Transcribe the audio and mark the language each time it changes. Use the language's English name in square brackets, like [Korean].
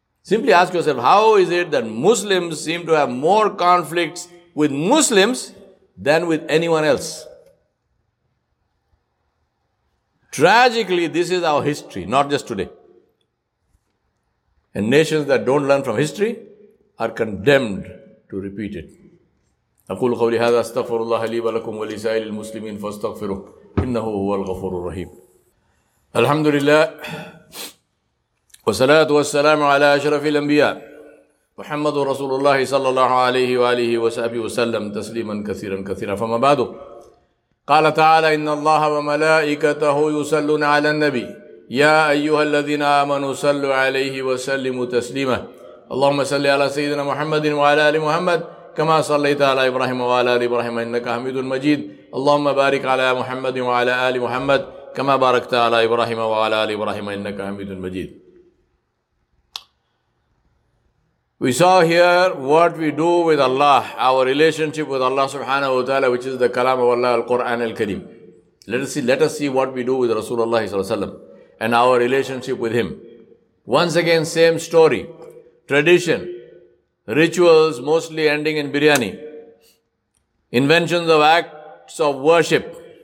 [English] Simply ask yourself, how is it that Muslims seem to have more conflicts with Muslims than with anyone else? Tragically, this is our history, not just today. And nations that don't learn from history are condemned to repeat it. [Arabic] أقول قولي هذا استغفر الله لي ولكم ولسائر المسلمين فاستغفروه إنه هو الغفور الرحيم. الحمد لله والصلاة والسلام على أشرف الأنبياء محمد رسول الله صلى الله عليه وآله وصحبه وسلم تسليما كثيرا كثيرا. فما بعد، قال تعالى إن الله وملائكته يصلون على النبي يا أيها الذين آمنوا صلوا عليه وسلموا تسليما. اللهم صل على سيدنا محمد وعلى آل محمد كما صليت على إبراهيم وعلى آل إبراهيم إنك حميد مجيد. اللهم بارك على محمد وعلى آل محمد كما باركت على إبراهيم وعلى آل إبراهيم إنك حميد مجيد. [English] We saw here what we do with Allah, our relationship with Allah subhanahu wa ta'ala, which is the kalam of Allah, al-Qur'an al-Kareem. Let us see what we do with Rasulullah sallallahu alayhi wa sallam and our relationship with him. Once again, same story. Tradition, rituals mostly ending in biryani, inventions of acts of worship.